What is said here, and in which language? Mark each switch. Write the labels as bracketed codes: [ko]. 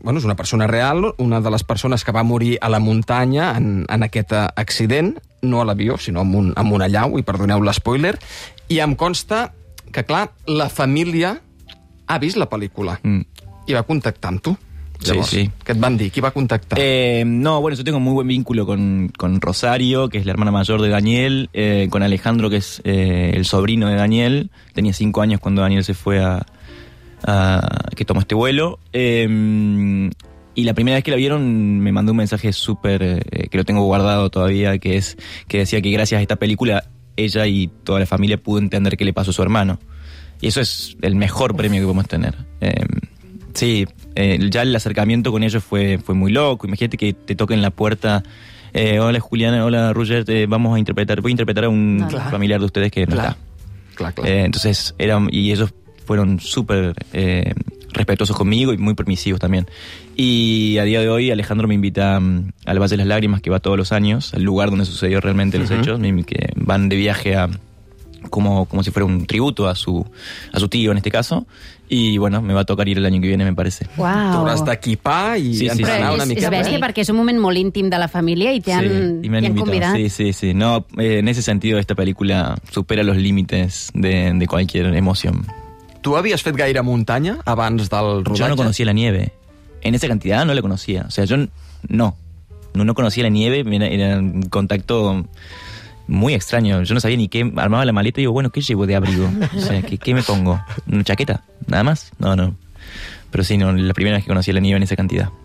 [ca] Bueno, és una persona real, una de les persones que va morir a la muntanya en aquest accident, no a l'avió, sinó amb un allau, i perdoneu l'espoiler, i em consta que, clar, la família ha vist la pel·lícula i va contactar amb tu. Llavors, sí, sí. [es] ¿Qué te van a decir? ¿Qué va a contactar? No, bueno, yo tengo muy buen vínculo con Rosario, que es la hermana mayor de Daniel, con Alejandro, que es el sobrino de Daniel. Tenía 5 años cuando Daniel se fue a que tomó este vuelo. Y la primera vez que la vieron me mandó un mensaje súper, que lo tengo guardado todavía, que decía que gracias a esta película ella y toda la familia pudo entender qué le pasó a su hermano. Y eso es el mejor premio que podemos tener. Sí, ya el acercamiento con ellos fue muy loco. Imagínate que te toquen la puerta. Hola Juliana, hola Roger, vamos a interpretar. Voy a interpretar a un claro. Familiar de ustedes que no claro. Está. Claro, claro. Entonces, y ellos fueron súper respetuosos conmigo y muy permisivos también. Y a día de hoy Alejandro me invita al Valle de las Lágrimas, que va todos los años, al lugar donde sucedió realmente los hechos, que van de viaje a... Como si fuera un tributo a su tío en este caso. Y bueno, me va a tocar ir el año que viene, me parece. [ca] Wow. T'hauràs d'equipar i sí, entrenar sí, sí. Una mica. És bèstia perquè és un moment molt íntim de la família i t'han convidat. Sí, sí, sí. [es] No, en ese sentido, esta película supera los límites de cualquier emoción. ¿Tú habías [ca] fet gaire muntanya abans del rodatge? [es] Yo no conocía la nieve. En esa cantidad no la conocía. O sea, yo no. No conocía la nieve, era un contacto... Muy extraño, yo no sabía ni qué, armaba la maleta y digo, bueno, ¿qué llevo de abrigo? O sea, ¿qué me pongo? ¿Una chaqueta? ¿Nada más? No, no. Pero sí, no, la primera vez que conocí a la nieve en esa cantidad.